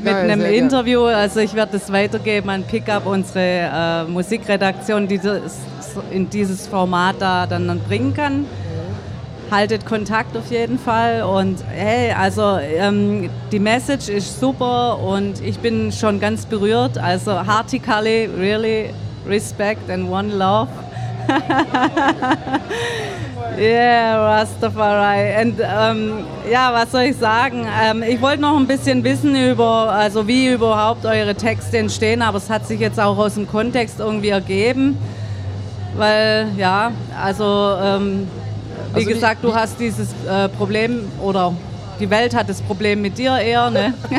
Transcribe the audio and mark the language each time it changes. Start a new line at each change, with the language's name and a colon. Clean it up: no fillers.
German: mit einem Interview, also ich werde das weitergeben an Pickup, unsere Musikredaktion, die das in dieses Format da dann bringen kann. Haltet Kontakt auf jeden Fall. Und hey, also die Message ist super und ich bin schon ganz berührt.
English: Also Harti Kalli, really respect and one love. Yeah, Rastafari.
German: And ja, was soll ich sagen? Ich wollte noch ein bisschen wissen über, also wie überhaupt eure Texte entstehen, aber es hat sich jetzt auch aus dem Kontext irgendwie ergeben. Weil, ja, also wie gesagt, du hast dieses Problem oder die Welt hat das Problem mit dir eher, ne?